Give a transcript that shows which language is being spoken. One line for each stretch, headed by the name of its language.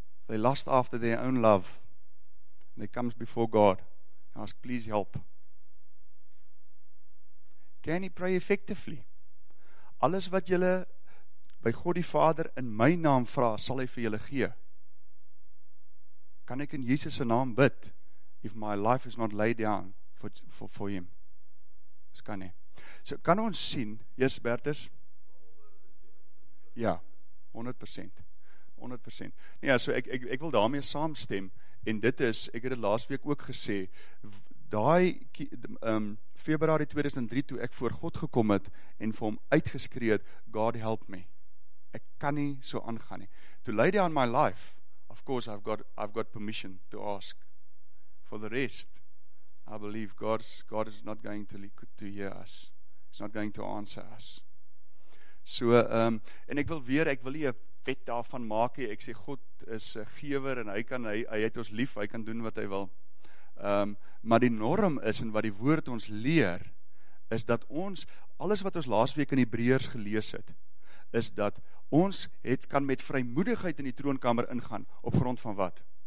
English: They lust after their own love. And they comes before God. And ask, please help. Can you pray effectively?
Afrikaans: Alles wat julle by God die Vader in my naam vra, sal hy vir julle gee. Kan ek in Jesus se naam bid?
English: If my life is not laid down for him.
Afrikaans: Dis kan nie. So kan ons sien, Jesus Bertus? Ja, 100%. 100%. Nee, so ek wil daarmee saamstem, en dit is, ek het dit laas week ook gesê, daai Februarie 2003 toe ek voor God gekom het en vir hom uitgeskree het,
English: God help me.
Afrikaans: Ek kan nie so aangaan nie.
English: To lay down my life, of course I've got permission to ask. For the rest, I believe God is not going to hear us. It's not going to answer us.
Afrikaans: So, en ek wil weer, ek wil nie 'n wet daarvan maak nie. Ek sê, God is 'n gewer en hy het ons lief, hy kan doen wat hy wil. Maar die norm is, en wat die woord ons leer, is dat ons, alles wat ons laasweek in Hebreërs gelees het, is dat ons kan met vrymoedigheid in die troonkamer ingaan, op grond van wat?